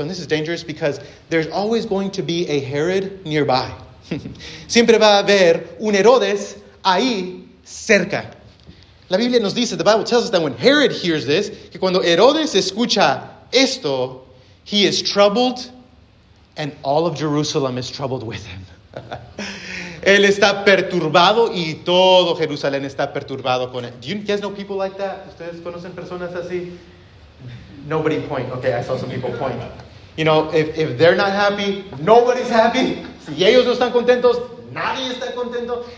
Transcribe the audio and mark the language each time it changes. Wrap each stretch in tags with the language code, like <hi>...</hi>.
<en>And this is dangerous because there's always going to be a Herod nearby.</en> <es>Siempre va a haber un Herodes ahí cerca. La Biblia nos dice,</es> <en>the Bible tells us that when Herod hears this,</en> <es>que cuando Herodes escucha esto,</es> <en>he is troubled and all of Jerusalem is troubled with him.</en> <es>Él está perturbado y todo Jerusalén está perturbado con él.</es> <en>Do you guys know people like that?</en> <es>¿Ustedes conocen personas así?</es> <en>Nobody point. Okay, I saw some people point. You know, if they're not happy, nobody's happy.</en> <es>Si ellos no están contentos, nadie está contento.</es>